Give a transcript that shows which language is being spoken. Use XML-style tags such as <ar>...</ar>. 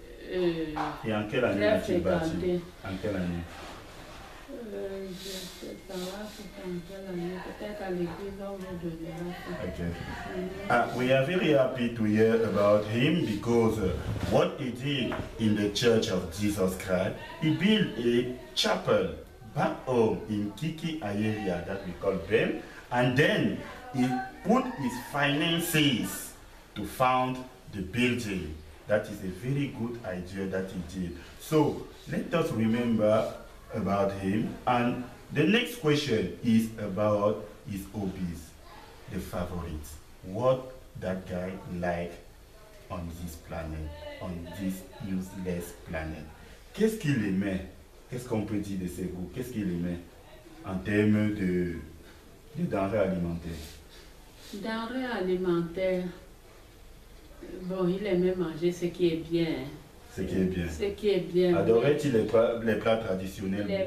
<fr>Et en quelle année a-t-il bâti? En quelle année? Je ne sais pas, c'est en quelle année. Peut-être à l'église, on va donner ça. Ok.</fr> <en>We are very happy to hear about him because what he did in the Church of Jesus Christ, he built a chapel back home in Kiki area that we call Bem, and then he put his finances to found the building. That is a very good idea that he did. So let us remember about him. And the next question is about his hobbies, the favorites. What that guy like on this planet, on this useless planet?</en> <fr>Qu'est-ce qu'il aimait? Qu'est-ce qu'on peut dire de ses goûts? Qu'est-ce qu'il aimait en termes de denrées alimentaires? Denrées alimentaires, bon, il aimait manger ce qui est bien. Ce qui est bien. Ce qui est bien. Adorait-il les plats traditionnels?</fr>